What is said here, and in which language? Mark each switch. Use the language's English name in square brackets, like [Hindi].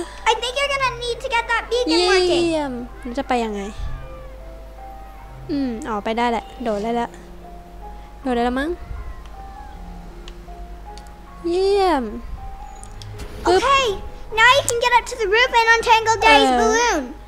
[English] I think you're gonna need to get that beacon working. [Thai] เยี่ยมจะไปยังไงออกไปได้แหละโดดได้แล้วโดดได้แล้วมั้งเยี่ยม [English] Okay, now you can get up to the roof and untangle Daddy's balloon.